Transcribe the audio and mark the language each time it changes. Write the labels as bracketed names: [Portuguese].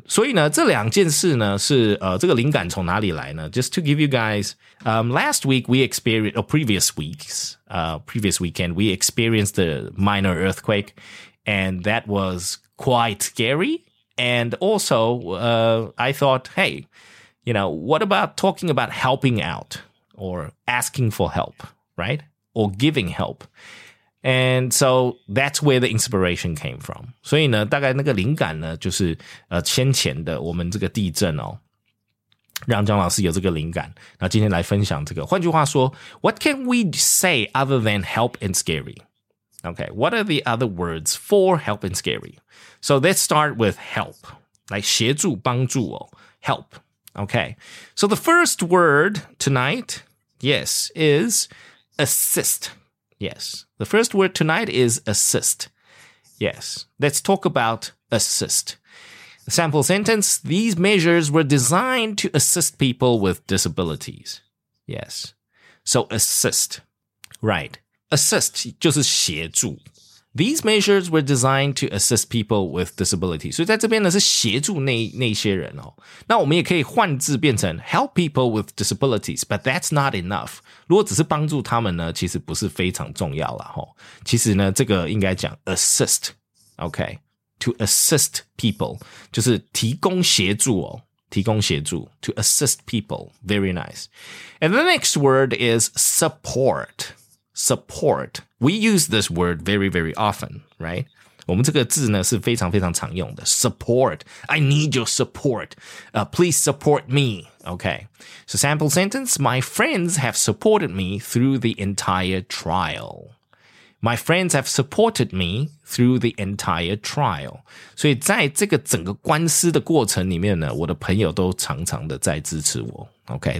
[Chinese] 所以呢这两件事呢是这个灵感从哪里来呢 [English] ?Just to give you guys, last week we experienced, or previous weekend, we experienced a minor earthquake, and that was quite scary, and also, I thought, hey, you know, what about talking about helping out? Or asking for help, right? Or giving help. And so that's where the inspiration came from. [Chinese] 所以呢大概那个灵感呢就是先前的我们这个地震哦让姜老师有这个灵感。那今天来分享这个。 [English] 换句话说 ,what can we say other than help and scary? Okay, what are the other words for help and scary? So let's start with help. [Chinese] 来协助帮助哦 [English] ,help. Okay, so the first word tonight, yes, is assist. Yes, the first word tonight is assist. Yes, let's talk about assist. Sample sentence, these measures were designed to assist people with disabilities. Yes, so assist, right. Assist [Chinese] 就是协助。 [English] These measures were designed to assist people with disabilities. [Chinese] 所以在这边呢是协助 那些人哦。那我们也可以换字变成 [English] help people with disabilities, but that's not enough. [Chinese] 如果只是帮助他们呢其实不是非常重要啦、哦。其实呢这个应该讲 assist, okay? [English] To assist people, [Chinese] 就是提供协助哦。提供协助 [English] to assist people. Very nice. And the next word is support. Support. We use this word very, very often, right? [Chinese] 我们这个字呢是非常非常常用的 [English] Support. I need your support. Please support me. Okay. So sample sentence. My friends have supported me through the entire trial. My friends have supported me through the entire trial. [Chinese] 所以在这个整个官司的过程里面呢我的朋友都常常的在支持我 Okay.